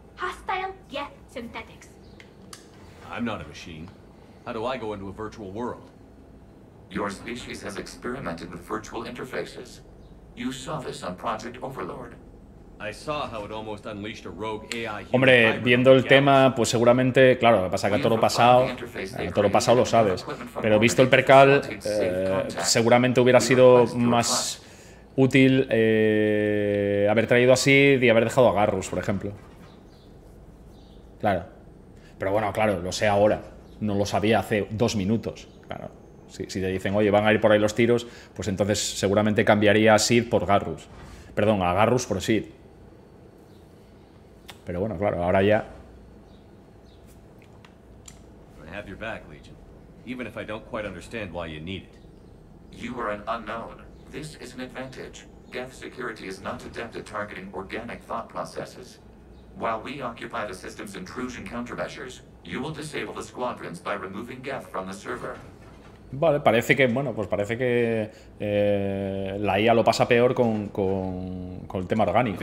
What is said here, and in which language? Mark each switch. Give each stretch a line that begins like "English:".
English: Hostile Geth synthetics. I'm not a machine. How do I go into a virtual world? Your species has experimented with virtual interfaces. You saw this on Project Overlord. I saw how it almost unleashed a rogue AI.
Spanish: Hombre, viendo el tema, pues seguramente, claro, lo que pasa es que a toro pasado lo sabes, pero visto el percal, seguramente hubiera sido más útil haber traído a Sid y haber dejado a Garrus, por ejemplo. Claro. Pero bueno, claro, lo sé ahora, no lo sabía hace dos minutos. Claro, si te dicen, oye, van a ir por ahí los tiros, pues entonces seguramente cambiaría a Sid por Garrus. Perdón, a Garrus por Sid. Pero bueno, claro, ahora ya...
English: have your back, Legion. Even if I don't quite understand why you need it. You are an unknown. This is an advantage. Geth security is not adept at targeting organic thought processes. While we occupy the system's intrusion countermeasures, you will disable the squadrons by removing Geth from the server.
Spanish: Vale, parece que, bueno, pues parece que la IA lo pasa peor con el tema orgánico.